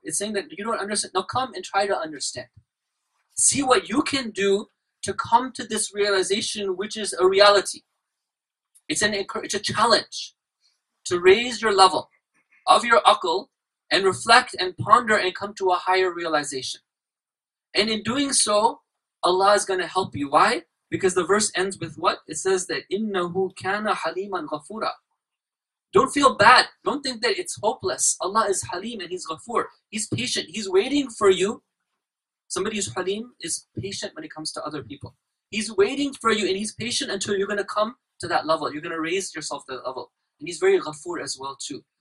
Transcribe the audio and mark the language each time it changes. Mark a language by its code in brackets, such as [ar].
[en] It's saying that you don't understand. Now come and try to understand. See what you can do to come to this realization, which is a reality. It's a challenge to raise your level of your aql and reflect and ponder and come to a higher realization. And in doing so, Allah is going to help you. Why? Because the verse ends with what? It says that, [ar] إِنَّهُ كَانَ حَلِيمًا غَفُورًا. [en] Don't feel bad. Don't think that it's hopeless. Allah is Halim and He's Ghafoor. He's patient. He's waiting for you. Somebody who's Halim is patient when it comes to other people. He's waiting for you and He's patient until you're going to come to that level. You're going to raise yourself to that level. And He's very Ghafoor as well too.